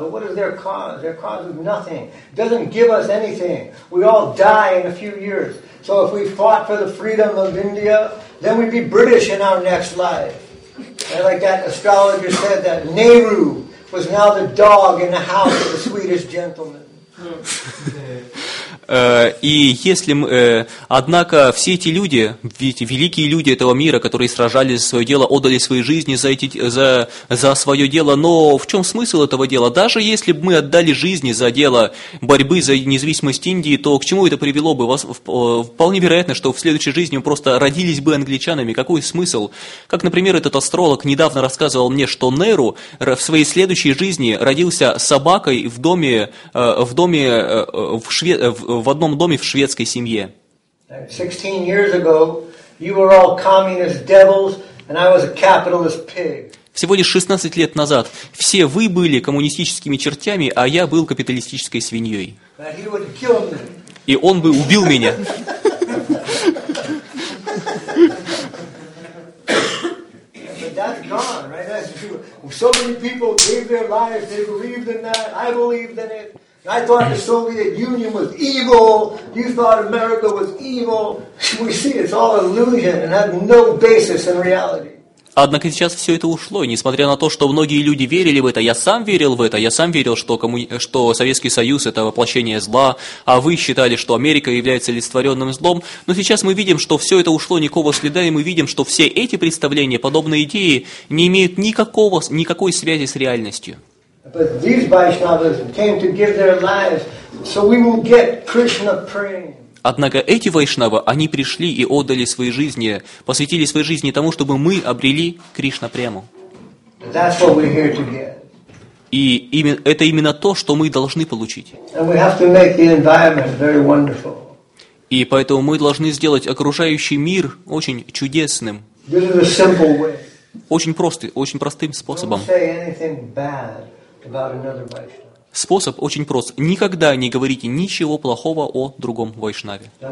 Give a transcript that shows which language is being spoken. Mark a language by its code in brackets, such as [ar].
[en] But what is their cause? Their cause is nothing. It doesn't give us anything. We all die in a few years. So if we fought for the freedom of India, then we'd be British in our next life. And like that astrologer said, that Nehru was now the dog in the house of the Swedish gentleman. [ru] И если мы, однако, все эти люди, ведь великие люди этого мира, которые сражались за свое дело, отдали свои жизни за свое дело, но в чем смысл этого дела? Даже если бы мы отдали жизни за дело борьбы за независимость Индии, то к чему это привело бы? Вполне вероятно, что в следующей жизни мы просто родились бы англичанами. Какой смысл? Как, например, этот астролог недавно рассказывал мне, что Неру в своей следующей жизни родился собакой в одном доме в шведской семье. [en] 16 years ago, you were all communist devils, and I was a capitalist pig. [ru] Всего лишь 16 лет назад все вы были коммунистическими чертями, а я был капиталистической свиньей. [en] And he would kill me. [ru] И он бы убил меня. [en] But that's gone, right? That's true. So many people gave their lives, they believed in that, I believed in it. I thought the Soviet Union was evil. You thought America was evil. We see it's all illusion and has no basis in reality. [ru] Однако сейчас все это ушло, и несмотря на то, что многие люди верили в это, я сам верил в это, я сам верил, что Советский Союз – это воплощение зла, а вы считали, что Америка является олицетворенным злом, но сейчас мы видим, что все это ушло, никакого следа, и мы видим, что все эти представления, подобные идеи, не имеют никакой связи с реальностью. [en] But these Vaishnavas came to give their lives, so we will get Krishna praying. [ru] Однако эти вайшнавы, они пришли и отдали свои жизни, посвятили свои жизни тому, чтобы мы обрели Кришна Прему. [en] That's what we're here to get. [ru] И это именно то, что мы должны получить. [en] And we have to make the environment very wonderful. [ru] И поэтому мы должны сделать окружающий мир очень чудесным. [en] This is a simple way. [ru] Очень простым способом. [en] Don't say anything bad about another Vaishnava. [ru] Способ очень прост. Никогда не говорите ничего плохого о другом вайшнаве.